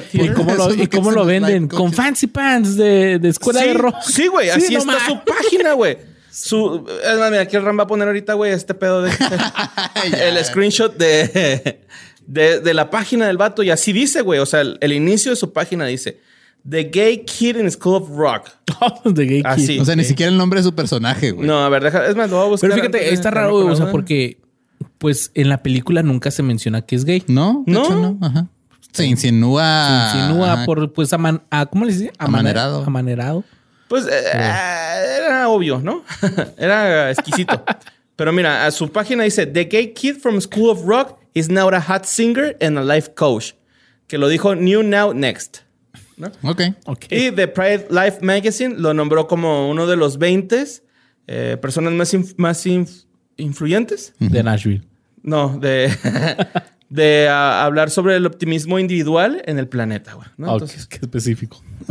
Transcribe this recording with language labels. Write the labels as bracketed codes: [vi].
[es] ¿Y cómo lo, y cómo lo venden? [en] Like, [es] con [en] fancy pants [es] de escuela sí, de rock. Sí, güey. Sí, así no está man. Su página, güey. Su, es más, mira, aquí el Ram va a poner ahorita, güey, este pedo de... el screenshot de la página del vato. Y así dice, güey. O sea, el inicio de su página dice... [en] The Gay Kid in School of Rock. The Gay [es] así. [en] Kid. [es] O sea, ni siquiera el nombre de su personaje, güey. No, a ver, deja, es más, lo voy a buscar. Pero fíjate, está raro, güey, o sea, porque... Pues en la película nunca se menciona que es gay. No, de ¿no? hecho no. Ajá. Se insinúa. Se insinúa ajá. por, pues, a ¿cómo le dice? Amanerado. Amanerado. Pues era obvio, ¿no? Era exquisito. Pero mira, a su página dice: [en] The gay kid from School of Rock is now a hot singer and a life coach. [es] Que lo dijo New Now Next. ¿No? Ok. Okay. Y The Pride Life Magazine lo nombró como uno de los 20 personas más influyentes. De Nashville. No, de hablar sobre el optimismo individual en el planeta, güey. ¿No? Okay, entonces, qué específico.